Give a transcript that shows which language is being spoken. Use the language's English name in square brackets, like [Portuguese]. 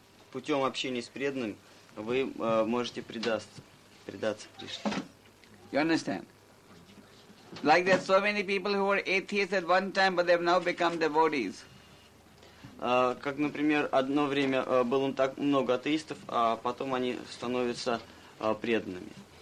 [Russian] путем общения с преданным вы можете предаться Кришне. [English] You understand? Like there are so many people who were atheists at one time, but they have now become devotees. [Russian] Как, например, одно время было так много атеистов, а потом они становятся преданными.